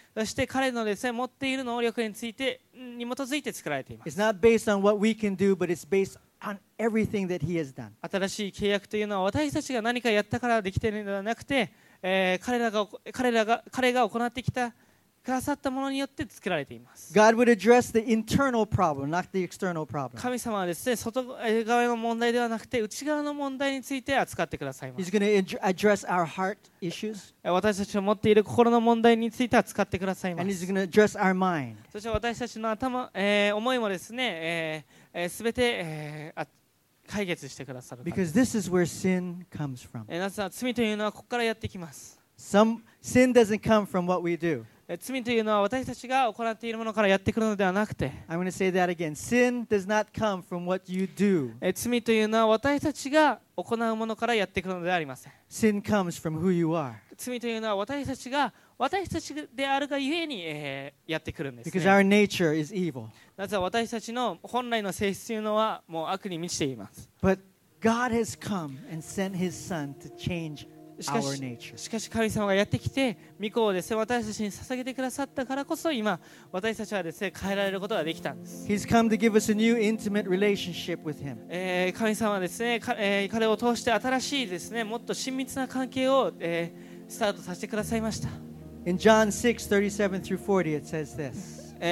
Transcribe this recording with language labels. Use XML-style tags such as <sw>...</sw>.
<ja>そして彼のですね持っている能力についてに基づいて作られています。</ja> <en>It's not based on what we can do, but it's based on everything that He has done.</en> <ja>新しい契約というのは私たちが何かやったからできているのではなくて、彼が行ってきたくださったものによって作られています。</ja> <en>God would address the internal problem, not the external problem.</en> <ja>神様はですね外側の問題ではなくて内側の問題について扱ってくださいます。</ja> <en>He's going to address our heart issues.</en> <ja>私たちが持っている心の問題について扱ってくださいます。</ja> <en>And He's going to address our mind.</en> <ja>そして私たちの思いもですね、全て、解決してくださる。</ja> <en>Because this is where sin comes from.</en> <ja>なぜなら罪というのはここからやってきます。</ja> <en>Sin doesn't come from what we do.</en> <ja>罪というのは私たちが行っているものからやってくるのではなくて</ja> <en>I'm going to say that again. Sin does not come from what you do.</en> <ja>罪というのは私たちが行うものからやってくるのではありません。</ja> <en>Sin comes from who you are.</en> <ja>罪というのは私たちであるがゆえに、やってくるんですね。</ja> <en>Because our nature is evil.</en> <ja>なぜ私たちの本来の性質というのはもう悪に満ちています。</ja> <en>But God has come and sent His Son to change</en> <ja>しかし、しかし神様がやってきて御子をですね、私たちに捧げてくださったからこそ今私たちはですね、変えられることができたんです。</ja> <en>He's come to give us a new intimate relationship with him.</en> <ja>神様はですね、彼を通して新しいですね、もっと親密な関係を、スタートさせてくださいました。</ja> <en>In John 6:37 through 40 it says this.</en>